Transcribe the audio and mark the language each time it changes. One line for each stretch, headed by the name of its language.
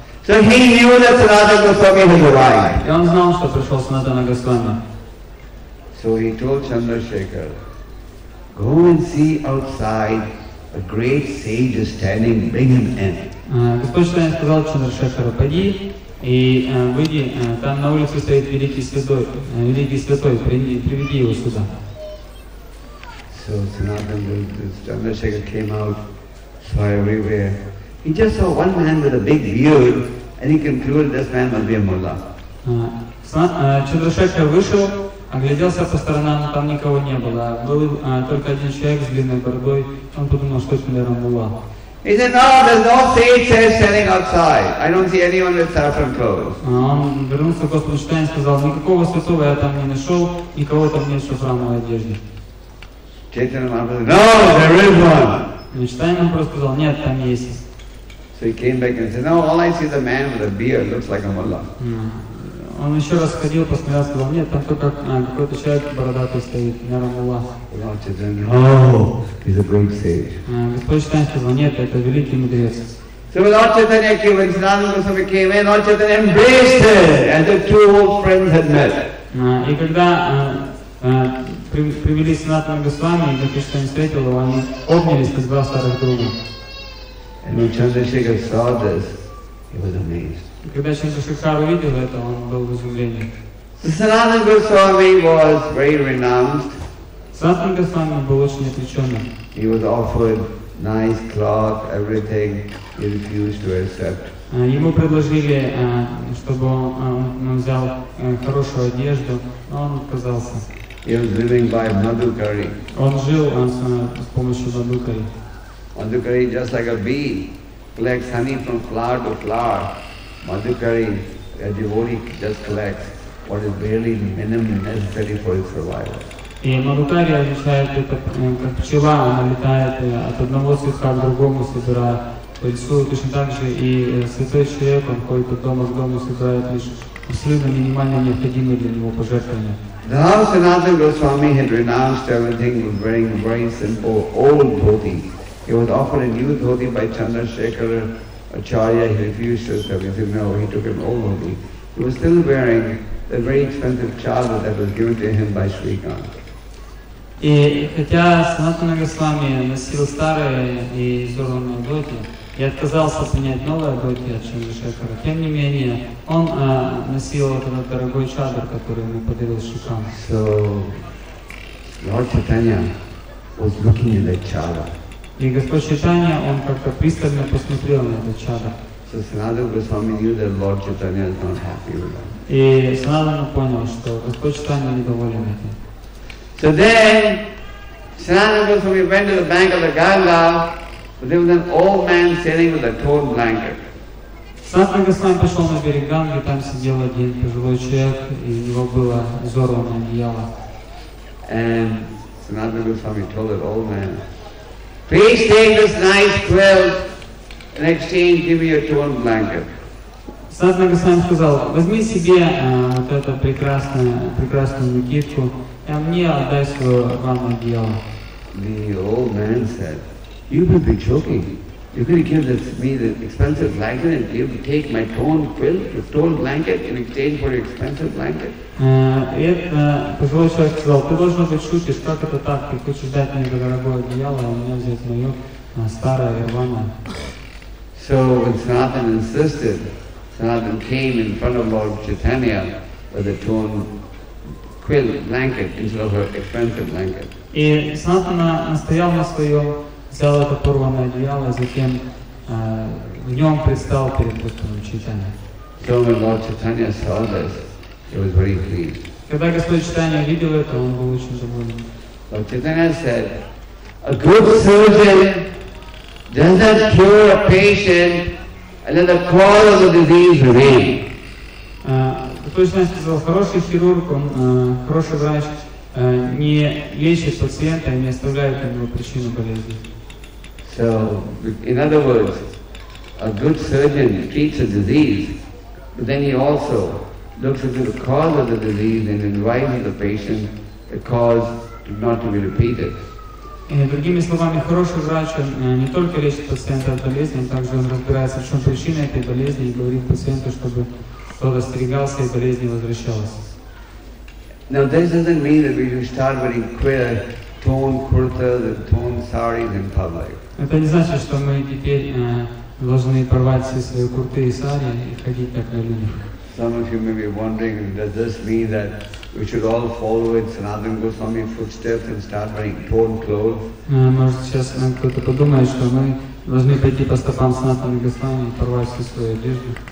English: So he knew that Sanatana Goswami had arrived.
Russian: И он знал, что пришел Санатана Госвами.
English: So he told Chandrasekhar, go and see outside a great sage is standing, bring him in.
Russian: Господь Чайтанья сказал Чандрашекхару, пойди и выйди, там на улице стоит великий святой, приведи его сюда.
English: So Sanatana Chandrasekhar came out, saw everywhere. He just saw one man with a big beard and he concluded this man must be a mullah.
Russian: Чандрашекхар вышел, огляделся по сторонам, там никого не было. Был только один человек с длинной бородой. Он подумал, что это, наверное, мулла.
English: He said, no, there's no sage standing outside. I don't see anyone with saffron clothes.
Russian: Он вернулся к Господу Чайтанье и сказал, никакого святого я там не нашел, никого там нет в шафрановой одежде.
English: Чайтанья Махапрабху, no, there is one.
Russian: Чайтанья Махапрабху сказал, нет, там есть.
English: So he came back and said, no, all I see is a man with a beard, looks like a mullah.
Russian: Он еще раз ходил, посмотрел, сказал, нет, там только какой-то человек бородатый стоит, наверное, мулла.
English: Lord Chaitanya, oh, he's a great sage.
Russian: Господь Чайтанья сказал, нет, это великий мудрец.
English: So when Lord Chaitanya came, when Sanatana Goswami came in, Lord Chaitanya embraced him, and the two old friends had met.
Russian: И когда привели Санатана Госвами, и Господь Чайтанья встретил его, они обнялись, как два старых друга.
English: And when Chandrasekhar saw this, he was amazed.
Russian: Когда Чандрашекхар увидел это, он был в изумлении.
English: So Sanatana Goswami was very renowned.
Russian: Sanatana Goswami был очень отреченным.
English: He was offered nice cloth, everything. He refused to accept.
Russian: Ему предложили, чтобы он взял хорошую одежду, но он отказался.
English: He was living by Madhukari.
Russian: Он жил с помощью Madhukari.
English: Madhukari just like a bee, collects honey from flower to flower. Madhukari, a devotee, just collects what is barely minimum necessary for his survival.
Russian: И Madhukari означает это как пчела, она летает от одного цветка к другому, собирая пыльцу. Точно так же и святой человек, он ходит от дома к дому, собирает лишь абсолютно минимально необходимые для него пожертвования.
English: The house Sanatana Goswami had renounced everything, wearing very simple old dhoti. He was offered a new dhoti by Chandrasekhar Acharya, he refused to accept. He said, no, he took him old dhoti. He was still wearing the very expensive chadar that was given to him by Shrikant.
Russian: И хотя Санатана Госвами носил старые и изорванные дхоти, и отказался принять новые дхоти от Чандрашекара, тем не менее, он носил вот этот дорогой чадр, который ему подарил Шикам.
English: So, Lord Chaitanya was looking at that chadr.
Russian: И Господь Чайтанья, он как-то пристально посмотрел на этот чадр.
English: So, Санатана Госвами knew that Lord Chaitanya is not happy with that.
Russian: И Санатана понял, что Господь Чайтанья недоволен этим.
English: So then, Sanatana Goswami went to the bank of the Ganga, but there was an old man sitting with a torn blanket.
Russian: Sanatana Goswami пошел на берег Ганги, там сидел один пожилой человек, и у него было изорванное одеяло.
English: And Sanatana Goswami told the old man, please take this nice quilt, in exchange give me your torn blanket.
Russian: Sanatana Goswami сказал, возьми себе вот эту прекрасную накидку, а мне отдай свое рваное одеяло.
English: The old man said, you could be joking. You could give this, me the expensive blanket and you could take my torn quilt, the torn blanket in exchange for your expensive blanket.
Russian: Это пожилой человек сказал, ты должен быть шутишь, как это так? Ты хочешь дать мне дорогое одеяло, а у меня взять мое старое рваное.
English: So when Sanatana insisted, Sanatana came in front of Lord Chaitanya with a torn quilt blanket instead of her expensive blanket.
Russian: И Санатана настоял на своем, взял это порванное одеяло, затем в нем предстал перед Господом Чайтанья.
English: So when Lord Chaitanya saw this, he was very pleased.
Russian: Когда Господь Чайтанья видел это, он был очень доволен.
English: Lord Chaitanya said, a good surgeon does not cure a patient and let the cause of the disease remain.
Russian: Точно я сказал, хороший хирург, он, хороший врач не лечит пациента и не оставляет ему причину болезни.
English: So, in other words, a good surgeon treats a disease, but then he also looks into the cause of the disease and advises the patient the cause not to be repeated.
Russian: Другими словами, хороший врач не только лечит пациента от болезни, он также разбирается, в чем причина этой болезни и говорит пациенту, чтобы кто-то остерегался и болезнь не возвращалась.
English: Now this doesn't mean that we should start wearing queer torn kurtas and torn saris in public.
Russian: Это не значит, что мы теперь должны порвать все свои курты и сари и ходить так на людях.
English: Some of you may be wondering, does this mean that we should all follow in Sanatana Goswami's footsteps and start wearing torn clothes?
Russian: Может сейчас нам кто-то подумает, что мы должны пойти по стопам Санатана Госвами и порвать все свои одежды.